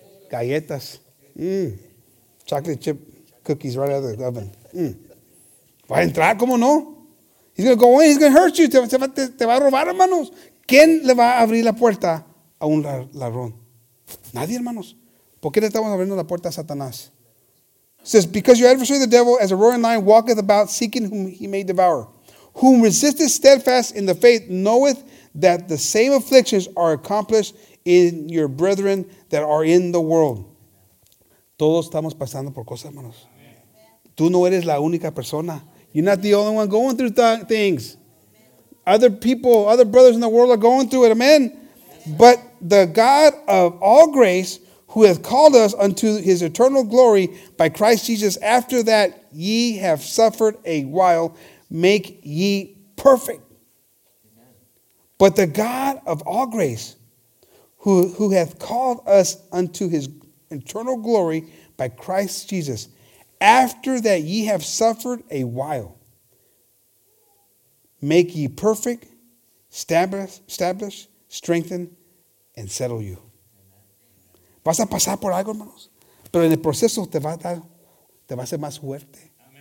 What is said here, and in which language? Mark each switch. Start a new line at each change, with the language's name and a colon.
English: Galletas. Chocolate chip cookies right out of the oven.
Spanish: ¿Va a entrar? ¿Cómo no?
English: He's going to go in. He's going to hurt you.
Spanish: Te va a robar, hermanos. ¿Quién le va a abrir la puerta a un ladrón? Nadie, hermanos. ¿Por qué le estamos abriendo la puerta a Satanás?
English: It says, because your adversary the devil as a roaring lion walketh about seeking whom he may devour. Whom resisteth steadfast in the faith knoweth that the same afflictions are accomplished in your brethren that are in the world.
Spanish: Todos estamos pasando por cosas, hermanos. Amen. Tú no eres la única persona.
English: You're not the only one going through things. Amen. Other people, other brothers in the world are going through it. Amen. But the God of all grace, who hath called us unto his eternal glory by Christ Jesus, after that ye have suffered a while, make ye perfect. But the God of all grace, who hath called us unto his eternal glory by Christ Jesus, after that ye have suffered a while, make ye perfect, establish, strengthen, and settle you.
Spanish: Vas a pasar por algo, hermanos. Pero en el proceso te va a hacer más fuerte.